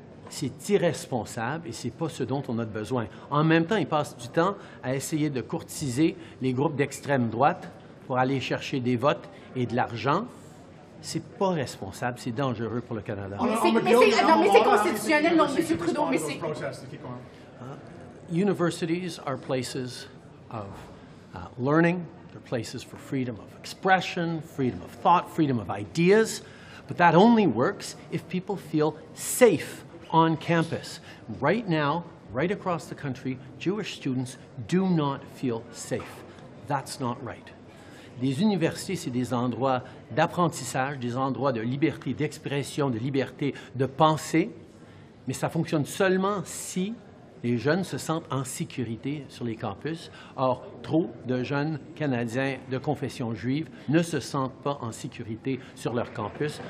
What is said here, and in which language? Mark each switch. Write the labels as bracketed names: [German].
[French] C'est irresponsable et c'est pas ce dont on a besoin. En même temps, il passe du temps à essayer de courtiser les groupes d'extrême droite pour aller chercher des votes et de l'argent. C'est pas responsable, c'est dangereux pour le Canada. Mais c'est constitutionnel, non, M. Trudeau, mais c'est... [English] Universities are places of learning, they're places for freedom of expression, freedom of thought, freedom of ideas, but that only works if people feel safe on campus. Right now, right across the country, Jewish students do not feel safe. That's not right. [French] Les universités, c'est des endroits d'apprentissage, des endroits de liberté d'expression, de liberté de penser, mais ça fonctionne seulement si les jeunes se sentent en sécurité sur les campus. Or, trop de jeunes Canadiens de confession juive ne se sentent pas en sécurité sur leur campus.